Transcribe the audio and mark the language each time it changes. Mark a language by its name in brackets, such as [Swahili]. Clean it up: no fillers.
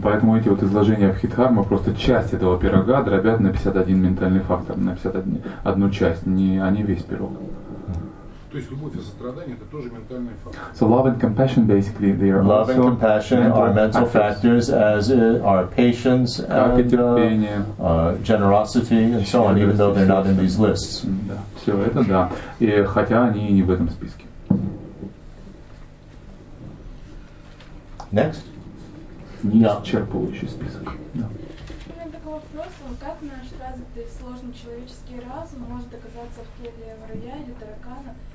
[Russian] Поэтому эти вот изложения Абхидхармы просто часть этого пирога дробят на 51 ментальный фактор, на 51 одну часть, не, а не весь пирог. То есть любовь и сострадание это тоже ментальный фактор. [English] So love and compassion basically they are love also and compassion are mental factors, as are patience and generosity and so on, even though they're not in these lists. [Russian] Все это да, и хотя они и не в этом списке. [English] Next. [Russian] Неисчерпывающий список. У меня такой вопрос, как наш развитый сложный человеческий разум может оказаться в теле воробья или таракана?